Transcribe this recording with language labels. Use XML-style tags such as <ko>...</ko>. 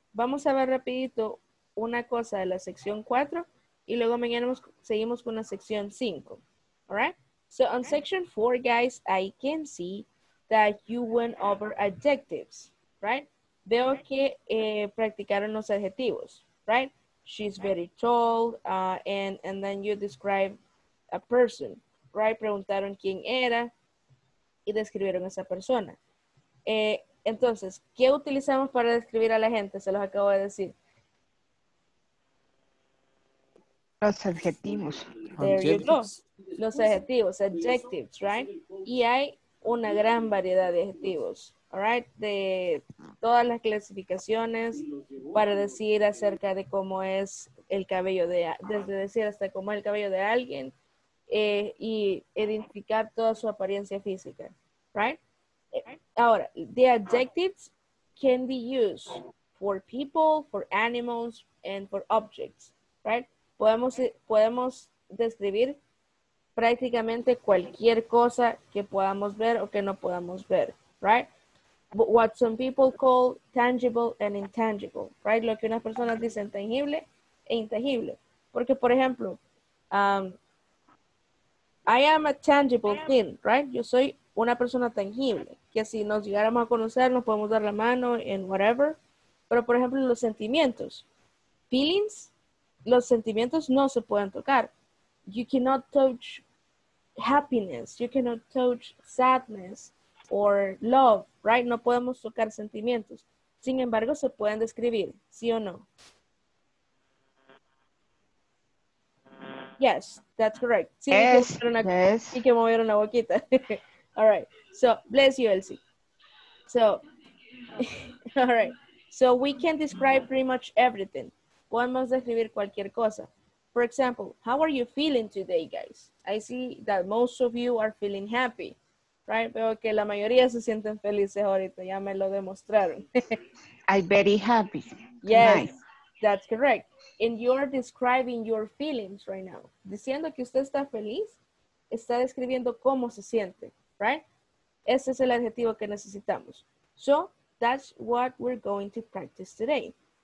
<es>Vamos a ver rapidito una cosa de la sección 4 y luego mañana seguimos con la sección 5.</es> <en>All right? So on section 4, guys, I can see that you went over adjectives, right?</en> <es>Veo que practicaron los adjetivos, right?</es> <en>She's very tall, and then you describe a person, right?</en> <es>Preguntaron quién era y describieron a esa persona. Entonces, ¿qué utilizamos para describir a la gente? Se los acabo de decir. Los adjetivos.</es> <en>There you go.</en> <es>Los adjetivos,</es> <en>adjectives, right?</en> <es>Y hay una gran variedad de adjetivos. All right, de todas las clasificaciones para decir acerca de cómo es el cabello de, desde decir hasta cómo es el cabello de alguien y identificar toda su apariencia física, right?</es> <en>Ahora, the adjectives can be used for people, for animals, and for objects, right?</en> <es>Podemos describir prácticamente cualquier cosa que podamos ver o que no podamos ver, right?</es> <en>What some people call tangible and intangible, right?</en> <es>Lo que unas personas dicen tangible e intangible. Porque, por ejemplo,</es> <en>I am a tangible thing, right?</en> <es>Yo soy una persona tangible. Que si nos llegáramos a conocer, nos podemos dar la mano en whatever. Pero, por ejemplo, los sentimientos. Feelings, los sentimientos no se pueden tocar.</es> <en>You cannot touch happiness. You cannot touch sadness. Or love, right?</en> <es>No podemos tocar sentimientos. Sin embargo, se pueden describir, ¿sí o no?</es> <en>Yes, that's correct. Sí, yes,</en> <es>que una,</es> <en>yes.</en> <es>Y que movieron la boquita.</es> <en>All right. So, bless you, Elsie. So, all right. So, we can describe pretty much everything.</en> <es>Podemos describir cualquier cosa.</es> <en>For example, how are you feeling today, guys? I see that most of you are feeling happy.</en> <es>Right, veo que la mayoría se sienten felices ahorita, ya me lo demostraron.</es> <en>I'm very happy. Yes, nice. That's correct. And you're describing your feelings right now.</en> <es>Diciendo que usted está feliz, está describiendo cómo se siente, right? Ese es el adjetivo que necesitamos.</es> <en>So, that's what we're going to practice today.</en>